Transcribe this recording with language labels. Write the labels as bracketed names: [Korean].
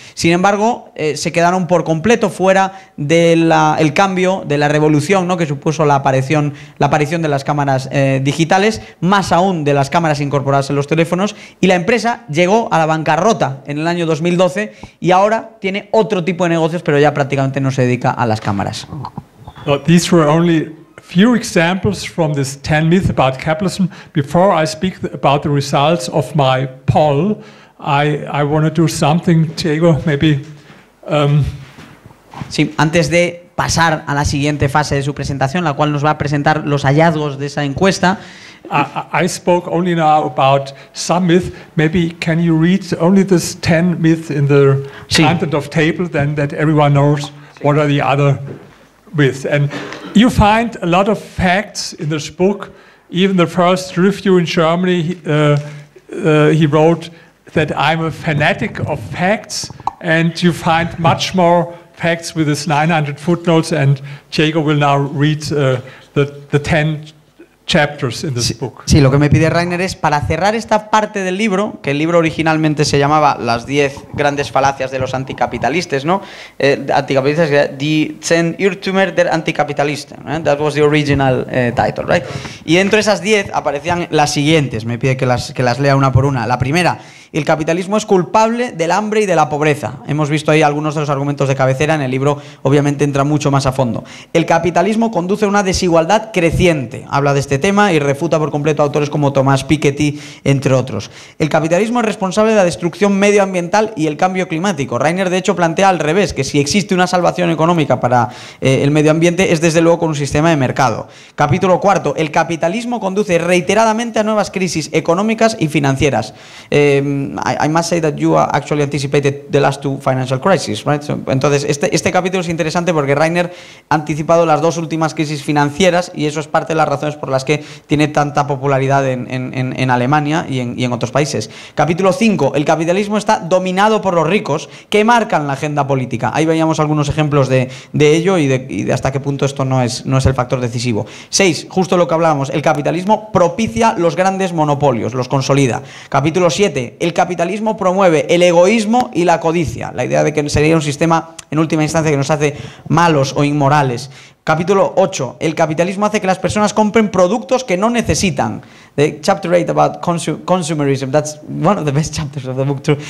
[Spanish] Sin embargo, se quedaron por completo fuera del cambio, de la revolución, ¿no?, que supuso la aparición de las cámaras digitales, más aún de las cámaras incorporadas en los teléfonos, y la empresa llegó a la bancarrota en el año 2012 y ahora tiene otro tipo de negocios, pero ya prácticamente no se dedica a las cámaras. [English] These were only few examples from this 10 myths about capitalism. Before I speak about the results of my poll, I want to do something, Diego, maybe. [Spanish] Sí, antes de pasar a la siguiente fase de su presentación, la cual nos va a presentar los hallazgos de esa encuesta. [English] I spoke only now about some myths. Maybe can you read only this 10 myths in the [Spanish] sí. [English] content of table, then that everyone knows sí. what are the other myths. And you find a lot of facts in this book. Even the first review in Germany, he wrote that I'm a fanatic of facts, and you find much more facts with his 900 footnotes, and Diego will now read the 10 chapters in this book. [Spanish] Sí, lo que me pide Rainer es, para cerrar esta parte del libro, que el libro originalmente se llamaba Las 10 grandes falacias de los anticapitalistas, ¿no? Anticapitalistas, Die 10 Irrtümer der Antikapitalisten. ¿Eh? [English] That was the original title, right? [Spanish] Y dentro de esas 10 aparecían las siguientes. Me pide que las lea una por una. La primera: el capitalismo es culpable del hambre y de la pobreza. Hemos visto ahí algunos de los argumentos de cabecera. En el libro, obviamente, entra mucho más a fondo. El capitalismo conduce a una desigualdad creciente. Habla de este tema y refuta por completo a autores como Thomas Piketty, entre otros. El capitalismo es responsable de la destrucción medioambiental y el cambio climático. Rainer, de hecho, plantea al revés, que si existe una salvación económica para el medio ambiente, es desde luego con un sistema de mercado. Capítulo cuarto: el capitalismo conduce reiteradamente a nuevas crisis económicas y financieras. [English] I must say that you actually anticipated the last two financial crises, right? [Spanish] So, entonces, este capítulo es interesante porque Rainer ha anticipado las dos últimas crisis financieras y eso es parte de las razones por las que tiene tanta popularidad en Alemania y en otros países. Capítulo 5. El capitalismo está dominado por los ricos que marcan la agenda política. Ahí veíamos algunos ejemplos de ello y de hasta qué punto esto no es el factor decisivo. 6. Justo lo que hablábamos. El capitalismo propicia los grandes monopolios, los consolida. Capítulo 7. El capitalismo promueve el egoísmo y la codicia, la idea de que sería un sistema en última instancia que nos hace malos o inmorales. Capítulo 8. El capitalismo hace que las personas compren productos que no necesitan. [English] The chapter 8 about consumerism. That's one of the best chapters of the book.